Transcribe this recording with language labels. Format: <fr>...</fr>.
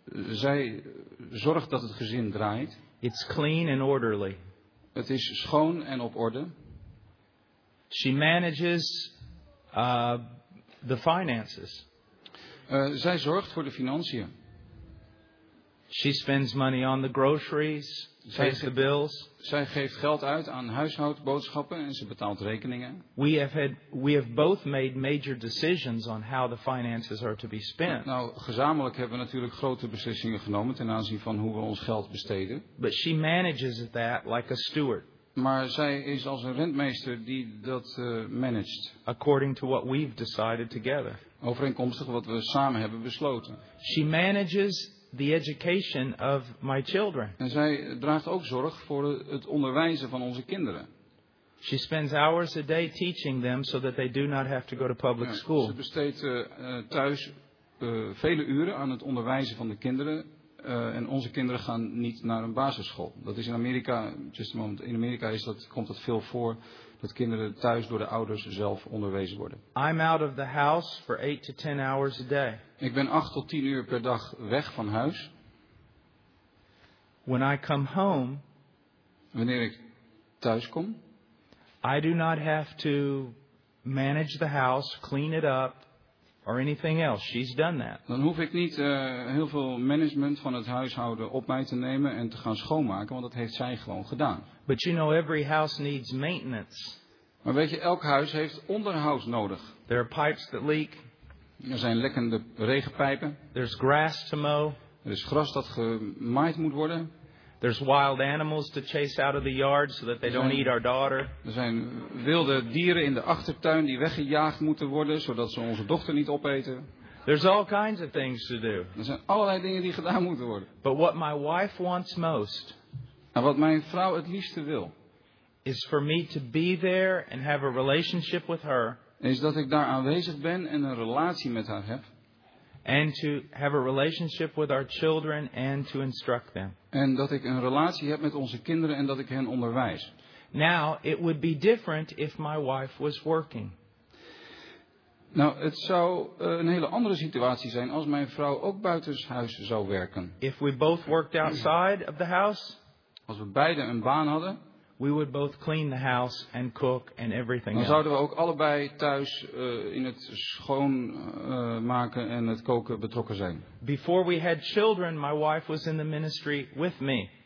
<nl>Zij zorgt dat het gezin draait.</nl> <en>It's clean and orderly.</en> <nl>Het is schoon en op orde.</nl> <en>She manages the finances.</en> <nl>Zij zorgt voor de financiën.</nl> <en>She spends money on the groceries, pays the bills.</en> <nl>Zij geeft geld uit aan huishoudboodschappen en ze betaalt rekeningen.</nl> <en>We have both made major decisions on how the finances are to be spent.</en> <nl>Nou, gezamenlijk hebben we natuurlijk grote beslissingen genomen ten aanzien van hoe we ons geld besteden.</nl> <en>But she manages that like a steward.</en> <nl>Maar zij is als een rentmeester die dat managed.</nl> <en>According to what we've decided together.</en> <nl>Overeenkomstig wat we samen hebben besloten.</nl> <en>She manages the education of my children.</en> <nl>En zij draagt ook zorg voor het onderwijzen van onze kinderen.</nl> <en>She spends hours a day teaching them so that they do not have to go to public school.</en> <nl>Ze besteedt thuis vele uren aan het onderwijzen van de kinderen. En onze kinderen gaan niet naar een basisschool. Dat is in Amerika,</nl> <en>just a moment,</en> <nl>in Amerika is dat, komt dat veel voor, dat kinderen thuis door de ouders zelf onderwezen worden.</nl> <en>I'm out of the house for 8 to 10 hours a day.</en> <nl>Ik ben 8 tot 10 uur per dag weg van huis.</nl> <en>When I come home,</en> <nl>wanneer ik thuis kom,</nl> <en>I do not have to manage the house, clean it up. Or anything else. She's done that.</en> <nl>Dan hoef ik niet heel veel management van het huishouden op mij te nemen en te gaan schoonmaken, want dat heeft zij gewoon gedaan.</nl> <en>But you know, every house needs maintenance.</en> <nl>Maar weet je, elk huis heeft onderhoud nodig.</nl> <en>There are pipes that leak.</en> <nl>Er zijn lekkende regenpijpen.</nl> <en>There's grass to mow.</en> <nl>Er is gras dat gemaaid moet worden.</nl> <en>There's wild animals to chase out of the yard so that they don't eat our daughter.</en> <nl>Er zijn wilde dieren in de achtertuin die weggejaagd moeten worden zodat ze onze dochter niet opeten.</nl> <en>There's all kinds of things to do.</en> <nl>Er zijn allerlei dingen die gedaan moeten worden.</nl> <en>But what my wife wants most.</en> <nl>En wat mijn vrouw het liefste wil.</nl> <en>Is for me to be there and have a relationship with her.</en> <nl>Is dat ik daar aanwezig ben en een relatie met haar heb.</nl> <en>And to have a relationship with our children and to instruct them.</en> <nl>En dat ik een relatie heb met onze kinderen en dat ik hen onderwijs.</nl> <en>Now, it would be different if my wife was working.</en> <nl>Nou, het zou een hele andere situatie zijn als mijn vrouw ook buitenshuis zou werken.</nl> <en>If we both worked outside of the house.</en> <nl>Als we beide een baan hadden.</nl> <en>We would both clean the house and cook and everything</en> <nl>else. Dan zouden we ook allebei thuis in het schoonmaken en het koken betrokken zijn.</nl> <en>Before we had children, my wife was in the ministry with me.</en>